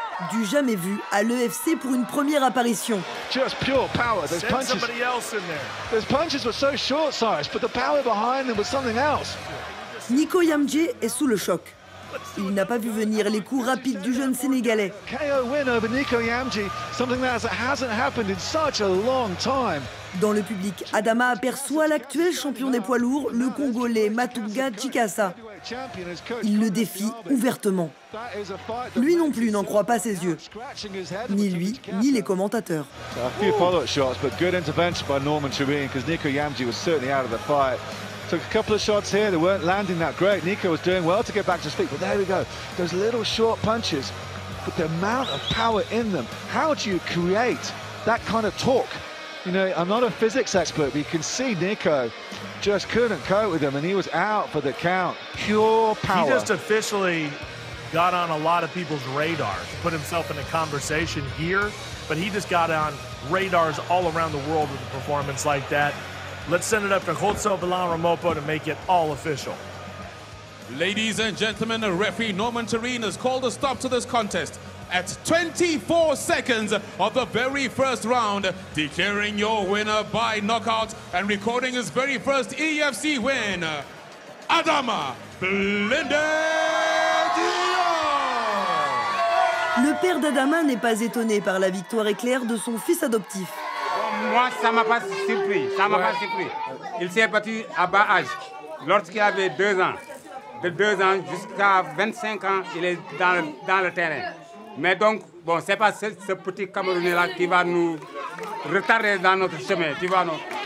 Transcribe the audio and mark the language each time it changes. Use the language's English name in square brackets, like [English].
[French] Du jamais vu à l'EFC pour une première apparition. [English] Just pure power. Those punches. Send somebody else in there. Those punches were so short sized, but the power behind them was something else. [French] Nico Yamdje est sous le choc. Il n'a pas vu venir les coups rapides du jeune Sénégalais. [English] KO win over Nico Yamdje, something that hasn't happened in such a long time. [French] Dans le public, Adama aperçoit l'actuel champion des poids lourds, le Congolais Matunga Chikasa. Il le défie ouvertement. Lui non plus n'en croit pas ses yeux. Ni lui, ni les commentateurs. [English] A few follow-up shots, but good intervention by Norman Chirine, because Nico Yamdje was certainly out of the fight. Took a couple of shots here, they weren't landing that great. Nico was doing well to get back to his feet, but there we go. Those little short punches, but the amount of power in them. How do you create that kind of torque? You know, I'm not a physics expert, but you can see Nico just couldn't cope with him, and he was out for the count. Pure power. He just officially got on a lot of people's radar, put himself in a conversation here, but he just got on radars all around the world with a performance like that. Let's send it up to Hotso Villaromopo to make it all official. Ladies and gentlemen, referee Norman Chirine has called a stop to this contest at 24 seconds of the very first round, declaring your winner by knockout and recording his very first EFC win, Adama Blindé Diop. [French] Le père d'Adama n'est pas étonné par la victoire éclair de son fils adoptif. Moi, ça ne m'a pas surpris, ça m'a pas surpris. Il s'est battu à bas âge, lorsqu'il avait 2 ans. De 2 ans jusqu'à 25 ans, il est dans le terrain. Mais donc, bon, c'est pas ce petit Camerounais-là qui va nous retarder dans notre chemin, tu vois, non?